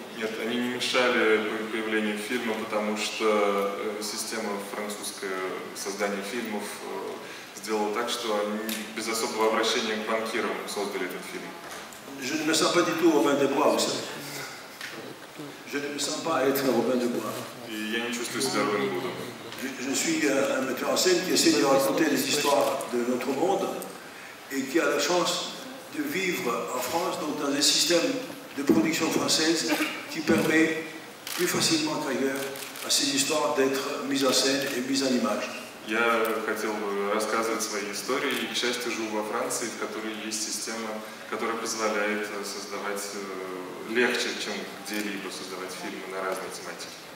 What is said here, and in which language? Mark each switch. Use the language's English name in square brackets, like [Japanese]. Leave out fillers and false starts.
[Russian] Нет, они не мешали появлению фильма, потому что система французская создания фильмов сделала так, что они без особого обращения к банкирам создали этот фильм. [French] Je ne me sens pas du tout Robin des Bois, vous savez. Je ne me sens pas être Robin des Bois. [Russian] И я не чувствую себя Робин Гудом. [French] Je suis un metteur en scène qui essaie de raconter les histoires de notre monde et qui a la chance de vivre en France, donc dans un système de production française qui permet plus facilement qu'ailleurs à ces histoires d'être mises en scène et mises en image. [Russian] Я хотел бы рассказывать свои истории, и, к счастью, живу во Франции, в которой есть система, которая позволяет создавать легче, чем где-либо создавать фильмы на разные тематики.